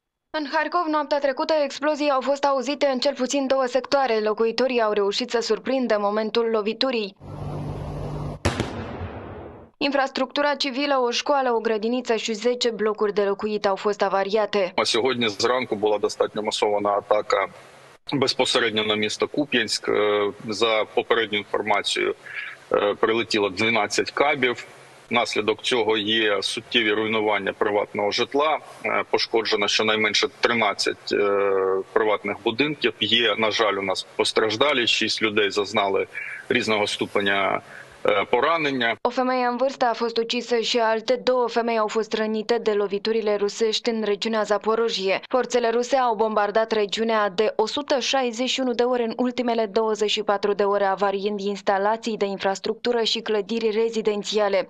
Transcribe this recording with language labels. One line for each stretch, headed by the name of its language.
Romanian: În Kharkov, noaptea trecută, explozii au fost auzite în cel puțin 2 sectoare. Locuitorii au reușit să surprindă momentul loviturii. Infrastructura civilă, o școală, o grădiniță și 10 blocuri de locuit au fost avariate.
Ukrainian: Сьогодні зранку була достатньо масована атака безпосередньо на місто Куп'янськ. За попередньою інформацією, прилетіло 12 кабів. Наслідок цього є суттєві руйнування приватного житла, пошкоджено щонайменше 13 приватних будинків. Є, на жаль, у нас постраждалі, 6 людей зазнали різного ступеня поранення.
Romanian: О femeie în vârstă a fost ucisă și alte 2 femei au fost rănite de loviturile rusești în regiunea Zaporojie. Forțele ruse au bombardat regiunea de 161 de ori în ultimele 24 de ore, avariind instalații de infrastructură și clădiri rezidențiale.